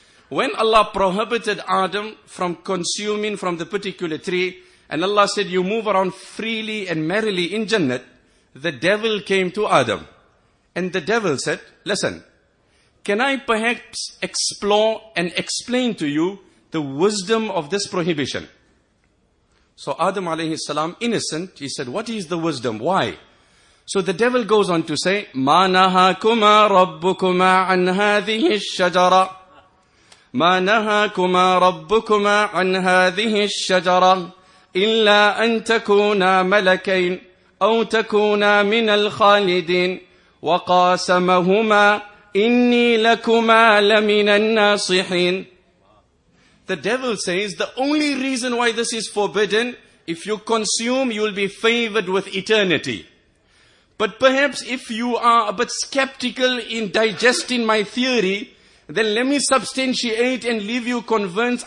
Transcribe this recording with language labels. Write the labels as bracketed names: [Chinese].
[English] When Allah prohibited Adam from consuming from the particular tree, and Allah said, you move around freely and merrily in Jannah, the devil came to Adam. And the devil said, listen, can I perhaps explore and explain to you the wisdom of this prohibition? So Adam alayhi salam, innocent, he said, what is the wisdom? Why? So the devil goes on to say, [Arabic] مَا نَهَاكُمَا رَبُّكُمَا عَنْ هَذِهِ الشَّجَرَةِ مَا نَهَاكُمَا رَبُّكُمَا عَنْ هَذِهِ الشَّجَرَةِ إلا أن تكونا ملكين أو تكونا من الخالدين. وقاسمهما إني لكما لمن الناصحين. [English] The devil says the only reason why this is forbidden, if you consume, you'll be favored with eternity. But perhaps if you are a bit skeptical in digesting my theory, then let me substantiate and leave you convinced.